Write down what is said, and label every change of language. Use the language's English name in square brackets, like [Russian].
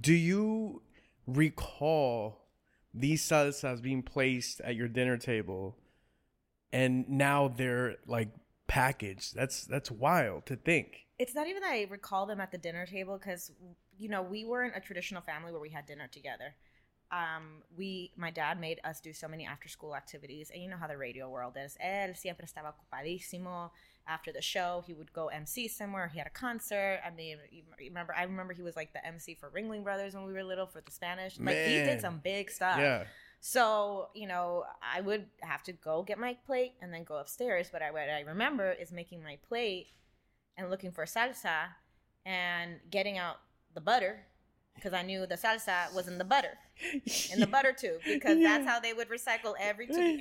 [English] Do you recall these salsas being placed at your dinner table, and now they're like packaged? That's wild to think. It's not even that I recall them at the dinner table, because, you know, we weren't a traditional family where we had dinner together. My dad made us do so many after school activities, and you know how the radio world is. [Spanish] Él siempre estaba ocupadísimo. [English] After the show, he would go MC somewhere. He had a concert. I mean, I remember he was like the MC for Ringling Brothers when we were little, for the Spanish. Man. Like, he did some big stuff. Yeah. So, you know, I would have to go get my plate and then go upstairs. But what I remember is making my plate and looking for salsa and getting out the butter, because I knew the salsa was in the butter, in the butter tube, because that's how they would recycle every tube.